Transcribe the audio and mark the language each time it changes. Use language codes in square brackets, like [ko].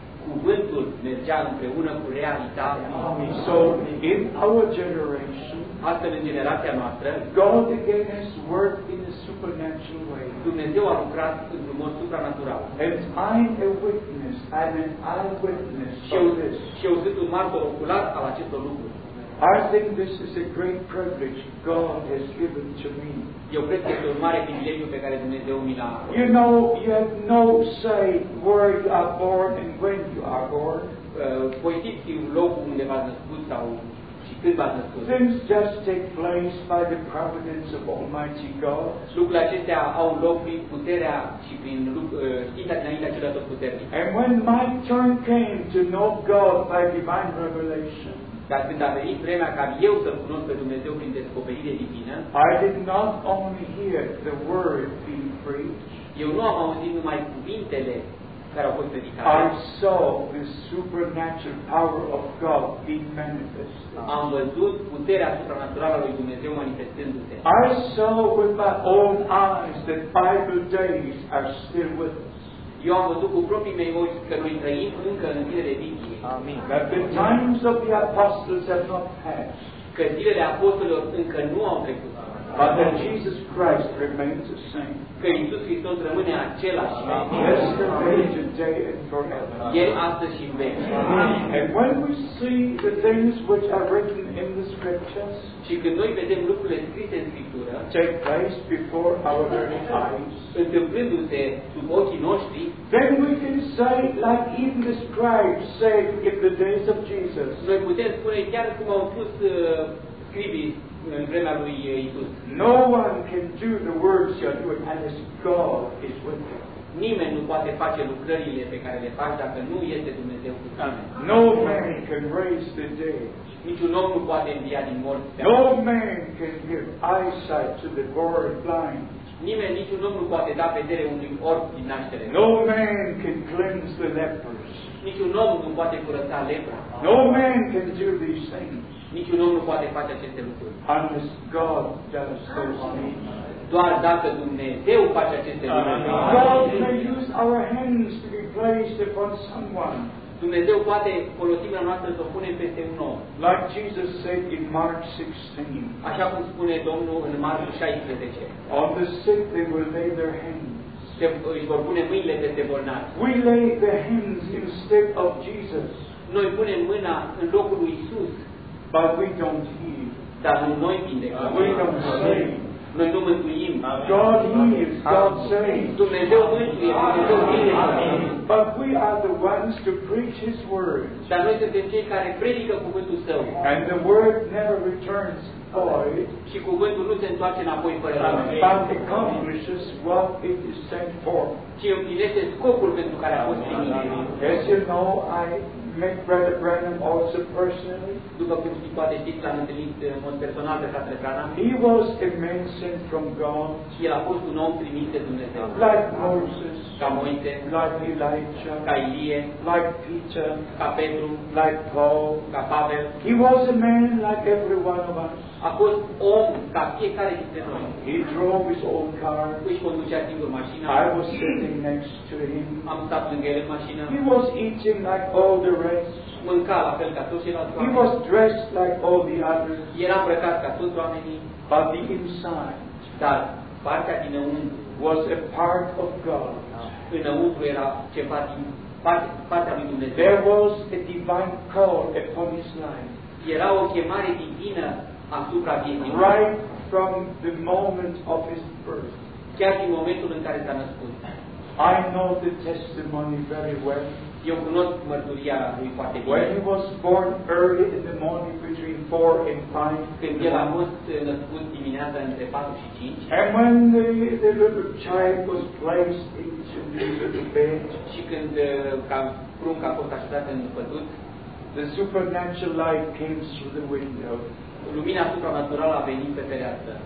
[ro] Cuvântul mergea împreună cu realitatea. [en] Amen. So in our generation, [ro] astfel în generația noastră, [en] God again has worked in a supernatural way. [ro] Dumnezeu a lucrat într-un mod supranatural. [en] And I'm a witness, I'm an eyewitness of this. [ro] Și eu sunt un martor ocular al acestor lucruri. [en] I think this is a great privilege God has given to me. [ro] Eu cred că este un mare privilegiu pe care Dumnezeu mi l-a. [en] You know, you have no say where you are born and when you are born. [ro] Voi știți locul unde v-ați născut sau și când v-ați născut. [en] Things just take place by the providence of Almighty God. [ro] Lucrurile acestea au loc prin puterea și prin știința dinaintea celor tot puternic. [en] And when my turn came to know God by divine revelation, [ro] dar când a venit vremea ca eu să-L cunosc pe Dumnezeu prin descoperire divină, [en] I did not only hear the word being preached, [ro] eu nu am auzit numai cuvintele care au fost predicate, [en] I saw the supernatural power of God being manifested. [ro] Am văzut puterea supranaturală a lui Dumnezeu manifestându-se. [en] I saw with my own eyes that Bible days are still with us. [ro] Eu am văzut cu proprii mei ochi că noi trăim încă în zilele vechi. Amin. [en] That the times of the apostles have not passed. [ro] Că zilele apostolilor încă nu au trecut. [en] But that Jesus Christ remains the same. [ro] Că Iisus Hristos rămâne același. Amin. [en] Yesterday, today, and forever. [ro] El astăzi și în veci. [en] And when we see the things which are written in the scriptures, [ro] și când noi vedem lucrurile scrise în Scriptură, [en] take place before our very eyes, [ro] întâmplându-se sub ochii noștri, [en] then we can say, like even the scribes said in the days of Jesus, [ro] noi putem spune chiar cum au spus scribii în vremea lui Iisus. [en] No one can do the works you are doing unless God is with them. [ro] Nimeni nu poate face lucrările pe care le faci dacă nu este Dumnezeu cu tine. [en] No man can raise the dead. [ro] Niciun om nu poate învia din morți. [en] No man can give eyesight to the born blind. [ro] Nimeni, niciun om nu poate da vedere unui orb din naștere. [en] No man can cleanse the lepers. [ro] Niciun om nu poate curăța lepra. [en] No man can do these things. [ro] Niciun om nu poate face aceste lucruri. [en] Unless God does those things. [ro] Doar dacă Dumnezeu face aceste lucruri. [en] God may use our hands to be placed upon someone. [ro] Dumnezeu poate folosi mâna noastră să o punem peste un om. [en] Like Jesus said in Mark 16. [ro] Așa cum spune Domnul în Marcu 16. [en] On the sick they will lay their hands. [ro] Își vor pune mâinile peste bolnavi. [en] We lay the hands instead of Jesus. [ro] Noi punem mâna în locul lui Isus. [en] But we don't heal. [ro] Dar nu noi vindecăm. [en] We don't save. [ro] Noi nu mântuim. [en] God heals, God saves. [ro] Dumnezeu mântuie, Dumnezeu vindecă. [en] But we are the ones to preach His word. [ro] Dar noi suntem cei care predică cuvântul Său. [en] And the word never returns void. [ro] Și cuvântul nu se întoarce înapoi fără rău. [en] But accomplishes what it is sent for. [ro] Și împlinește scopul pentru care a fost trimis. [en] As you know, I met Brother Branham also personally. [ro] După cum știți, poate știți, l-am întâlnit în mod personal pe fratele Branham. [en] He was a man sent from God. [ro] Și el a fost un om trimis de Dumnezeu. [en] Like Moses. [ro] Ca Moise. [en] Like Elijah. [ro] Ca Ilie. [en] Like Peter. [ro] Ca Petru. [en] Like Paul. [ro] Ca Pavel. [en] He was a man like every one of us. [ro] A fost om ca fiecare dintre noi. [en] He drove his own car. [ro] Își conducea singur mașina. [en] I was sitting next to him. [ro] Am stat lângă el în mașină. [en] He was eating like all the rest. [ro] Mânca la fel ca toți ceilalți. [en] He was dressed like all the others. [ro] Era îmbrăcat ca toți oamenii. [en] But the inside. [ro] Dar partea dinăuntru. [en] Was a part of God. [ro] Înăuntru era ceva din partea lui Dumnezeu. [en] There was a divine call upon his life. [ro] Era o chemare divină. [en] Right from the moment of his birth. [ro] Chiar din momentul în care s-a născut. [en] I know the testimony very well. [ro] Eu cunosc mărturia lui foarte bine. [en] When he was born early in the morning between 4 and 5. [ro] Când el a fost născut dimineața între 4 și 5. [en] And when the little child was placed into the little bed. [ro] Și când prunca a fost așezat în pătut. [en] The supernatural light came through the window. [ro] Lumina supranaturală a venit pe fereastră.